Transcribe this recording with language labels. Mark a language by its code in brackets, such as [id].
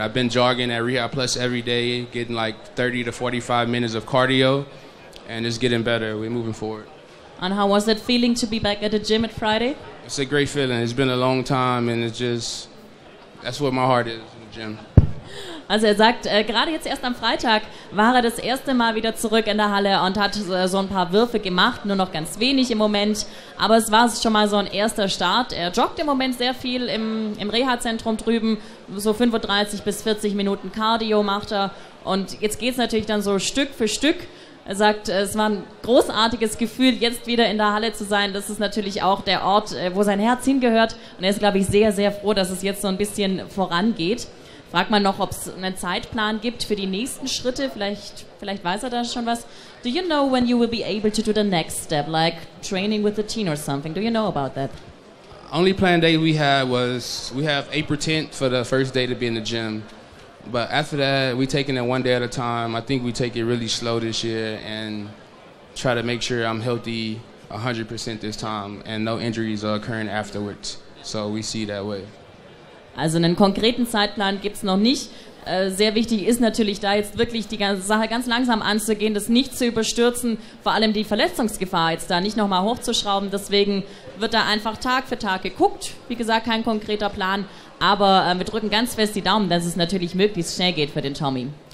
[en] I've been jogging at Reha Plus every day, getting like 30 to 45 minutes of cardio, and it's getting better. We're moving forward. And how was that feeling to be back at the gym at Friday? It's a great feeling. It's been a long time, and it's just, that's where my heart is, in the gym. [de] Also er sagt, gerade jetzt erst am Freitag war er das erste Mal wieder zurück in der Halle und hat so ein paar Würfe gemacht, nur noch ganz wenig im Moment. Aber es war schon mal so ein erster Start. Er joggt im Moment sehr viel im Reha-Zentrum drüben, so 35 bis 40 Minuten Cardio macht er. Und jetzt geht es natürlich dann so Stück für Stück. Er sagt, es war ein großartiges Gefühl, jetzt wieder in der Halle zu sein. Das ist natürlich auch der Ort, wo sein Herz hingehört. Und er ist, glaube ich, sehr, sehr froh, dass es jetzt so ein bisschen vorangeht. Frag mal noch, ob es einen Zeitplan gibt für die nächsten Schritte. Vielleicht weiß er da schon was. [en] Do you know when you will be able to do the next step, like training with the team or something? Do you know about that? Only plan day we had was we have April 10th for the first day to be in the gym. But after that, we're taking it one day at a time. I think we take it really slow this year and try to make sure I'm healthy 100% this time and no injuries are occurring afterwards. So we see that way. [de] Also einen konkreten Zeitplan gibt es noch nicht. Sehr wichtig ist natürlich da jetzt wirklich die ganze Sache ganz langsam anzugehen, das nicht zu überstürzen, vor allem die Verletzungsgefahr jetzt da nicht nochmal hochzuschrauben. Deswegen wird da einfach Tag für Tag geguckt. Wie gesagt, kein konkreter Plan, aber wir drücken ganz fest die Daumen, dass es natürlich möglichst schnell geht für den Tommy.